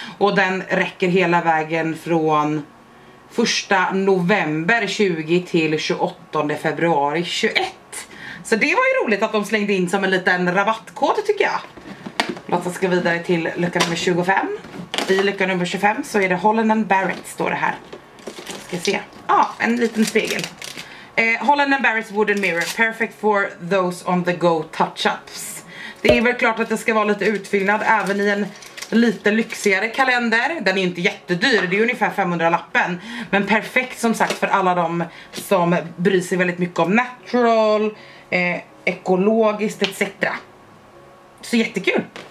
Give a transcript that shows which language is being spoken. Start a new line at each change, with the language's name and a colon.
Swedish: Och den räcker hela vägen från 1 november 20 till 28 februari 21. Så det var ju roligt att de slängde in som en liten rabattkod, tycker jag. Låt oss gå vidare till lucka nummer 25. I lucka nummer 25 så är det Holland & Barrett, står det här. Ska se, en liten spegel.
English: Holland & Barrett's wooden mirror, perfect for those on the go touch-ups.
Swedish: Det är väl klart att det ska vara lite utfyllnad även i en lite lyxigare kalender. Den är inte jättedyr, det är ungefär 500 lappen. Men perfekt som sagt för alla de som bryr sig väldigt mycket om natural, ekologiskt etc. Så jättekul.